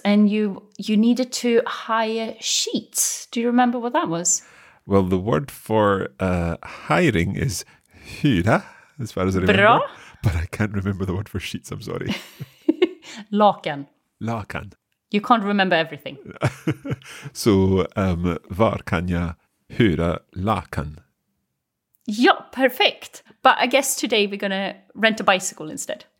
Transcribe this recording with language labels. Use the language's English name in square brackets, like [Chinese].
[English] And you needed to hire sheets. Do you remember what that was? Well, the word for hiring is hyra, as far as I remember. [Swedish] Bra? [English] But I can't remember the word for sheets. I'm sorry. [Swedish] Lakan. Lakan. [English] You can't remember everything. [Swedish] So, var kan jag hyra lakan? Ja, perfekt. [English] But I guess today we're going to rent a bicycle instead.